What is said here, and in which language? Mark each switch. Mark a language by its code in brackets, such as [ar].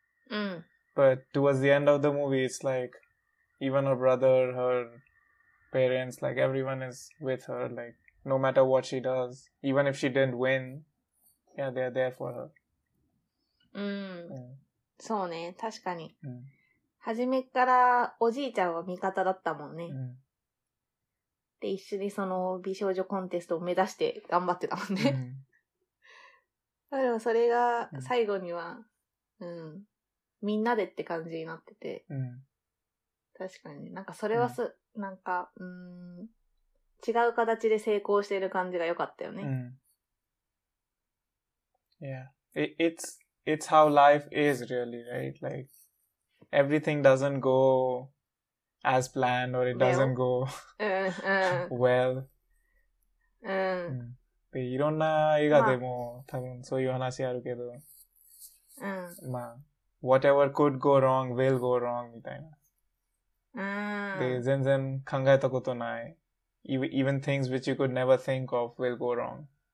[en] Mm. But towards the end of the movie, it's like even her brother, her parents, like everyone is with her, like no matter what she does, even if she didn't win, yeah, they're there for her. [ja] Mm. Mm. そうね、確かに。うん。初めからおじいちゃんは味方だったもんね。うん。で、一緒にその美少女コンテストを目指して頑張ってたもんね。うん、でもそれが最後には、うん、うん、みんなでって感じになってて。うん、確かに。なんかそれはうん、なんか、違う形で成功してる感じが良かったよね。 [en] うん、yeah. It's how life is really, right? Like, everything doesn't gogo as planned, or it doesn't go well. [ja] で、いろんな映画でも、まあ、多分そういう話あるけど、うん、 [en] まあ、whatever could go wrong will go wrong [ja] みたいな。うん、で、全然考えたことない。 [en] Even things which you could never think of will go wrong.